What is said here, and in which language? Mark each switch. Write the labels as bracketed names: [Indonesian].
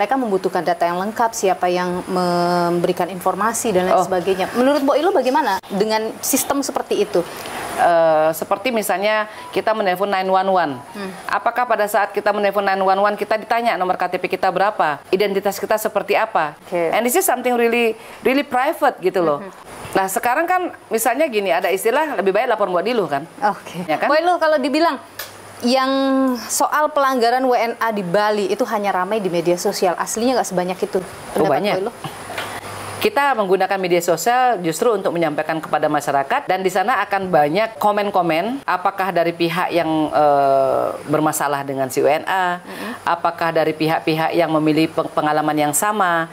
[Indonesian] Mereka membutuhkan data yang lengkap, siapa yang memberikan informasi dan lain sebagainya. Menurut Mbok Niluh bagaimana dengan sistem seperti itu? Seperti misalnya kita menelpon 911. Apakah pada saat kita menelpon 911 kita ditanya nomor KTP kita berapa, identitas kita seperti apa? [English] Okay. And this is something really really private gitu loh. [Indonesian] Nah sekarang kan misalnya gini, ada istilah lebih baik lapor Mbok Niluh kan. Okay. Ya kan? Mbok Niluh, kalau dibilang yang soal pelanggaran WNA di Bali itu hanya ramai di media sosial, aslinya nggak sebanyak itu. Oh, banyak. Kita menggunakan media sosial justru untuk menyampaikan kepada masyarakat, dan di sana akan banyak komen-komen, apakah dari pihak yang bermasalah dengan si WNA, apakah dari pihak-pihak yang memilih pengalaman yang sama.